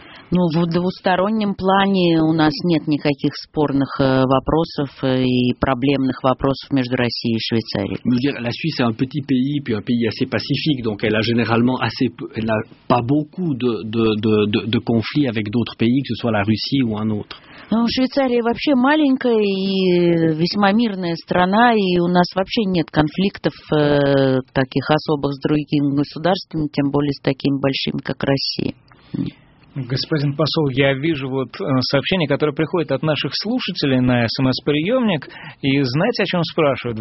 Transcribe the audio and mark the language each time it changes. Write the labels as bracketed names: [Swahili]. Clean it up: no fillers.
[Russian] Ну, в двустороннем плане у нас нет никаких спорных вопросов и проблемных вопросов между Россией и Швейцарией. [French] La Suisse est un petit pays, puis un pays assez pacifique, donc elle a généralement assez, elle n'a pas beaucoup de conflits avec d'autres pays, que ce soit la Russie ou un autre. [Russian] Ну, Швейцария вообще маленькая и весьма мирная страна, и у нас вообще нет конфликтов таких особых с другими государствами, тем более с такими большими, как Россия. Господин посол, я вижу вот сообщение, которое приходит от наших слушателей на СМС-приемник, и знаете, о чем спрашивают?